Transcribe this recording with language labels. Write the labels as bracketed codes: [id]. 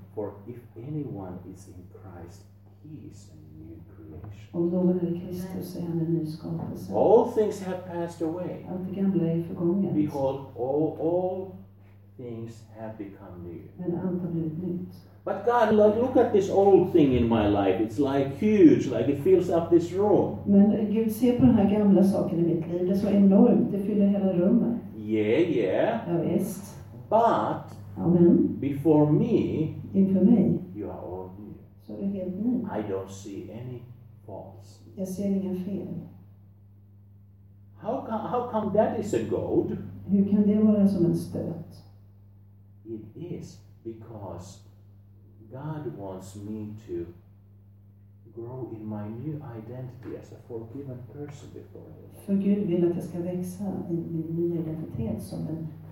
[en] for if anyone is in Christ, he is a new creation. [sv] Om någon är i Kristus är han en ny skapelse. [en] All things have passed away. [sv] Allt gamla är förgånget. [en] Behold, all things have become new. [sv] Men allt har blivit nytt. [en] But God, look at this old thing in my life. It's like huge, like it fills up this room. [sv] Men Gud, se på den här gamla saken i mitt liv. Det är så enormt. Det fyller hela rummet. [en] Yeah, yeah. [sv] Ja, visst. [en] But amen. Before me, [sv] inför mig, [en] you are all new. [sv] Så är du helt ny. [en] I don't see any faults. [sv] Jag ser inga fel. [en] How come that is a goad? [sv] Hur kan det vara som en stöt? [en] It is because God wants me to grow in my new identity as a forgiven person before him. [sv] För Gud vill att jag ska växa i min nya identitet som en